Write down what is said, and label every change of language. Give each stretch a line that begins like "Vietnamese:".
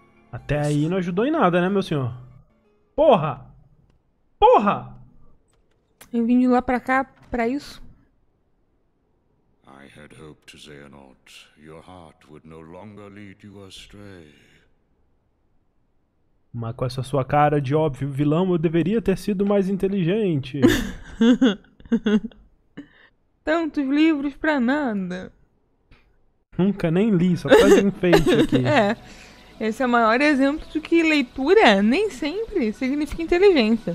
Portuguese: Até aí não ajudou em nada, né, meu senhor? Porra! Porra! Eu vim de lá pra cá pra isso?
English: I had hoped, Xehanort, your heart would no longer lead you astray.
Portuguese: Mas com essa sua cara de óbvio vilão, eu deveria ter sido mais inteligente. Tantos livros pra nada. Nunca nem li, só faz enfeite aqui. É, esse é o maior exemplo de que leitura nem sempre significa inteligência.